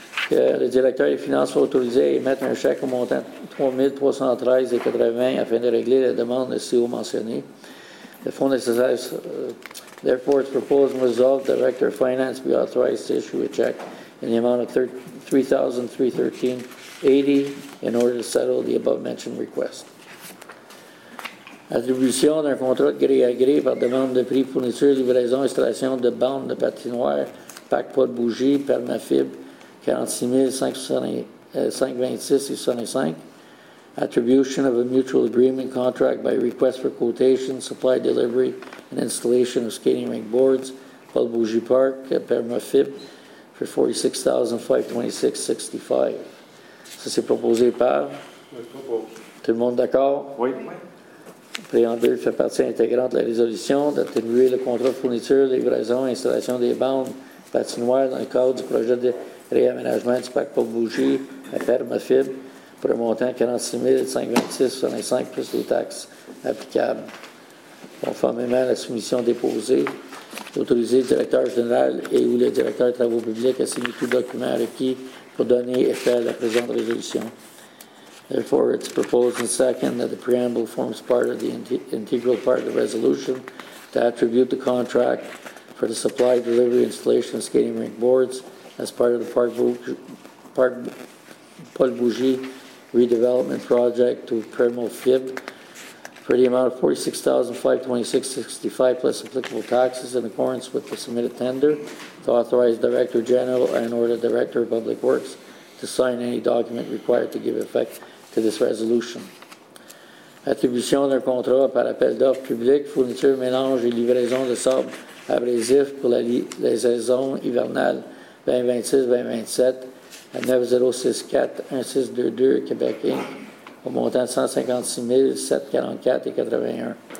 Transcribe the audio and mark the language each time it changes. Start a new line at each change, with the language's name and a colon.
French: Que le directeur des finances soit autorisé à émettre un chèque au montant de 3 313,80 afin de régler la demande de ci-haut mentionnée. Le fonds nécessaire,
English: therefore, it's proposed and resolved the director of finance be authorized to issue a check in the amount of $3,313.80 in order to settle the above-mentioned request.
French: Attribution d'un contrat de gré à gré par demande de prix fourniture, livraison, installation de bandes de patinoire, pack pas de bougie, permafib, 46 526,65.
English: Attribution of a mutual agreement contract by request for quotation, supply, delivery, and installation of skating rink boards, pas de bougie park, permafib, for $46,526.65.
French: Ça, c'est proposé par? Je propose. Tout le monde d'accord? Oui. Le préambule fait partie intégrante de la résolution d'attribuer le contrat de fourniture, livraison et installation des bandes patinoires dans le cadre du projet de réaménagement du parc pour bougie à Permafib pour un montant de 46 526,65 plus les taxes applicables. conformément à la soumission déposée, autoriser le directeur général et ou le directeur des travaux publics à signer tout document requis pour donner effet à la présente résolution.
English: Therefore, it's proposed and second that the preamble forms part of the integral part of the resolution to attribute the contract for the supply, delivery, installation of skating rink boards as part of the Paul Bougie redevelopment project to Primo Fib for the amount of $46,526.65 plus applicable taxes in accordance with the submitted tender, to authorize Director General and or the Director of Public Works to sign any document required to give effect to this resolution.
French: Attribution d'un contrat par appel d'offres public, fourniture, mélange et livraison de sable abrasif pour les saisons hivernales 2026-2027 à 9064-1622 Québec Inc. au montant de $156,744.81.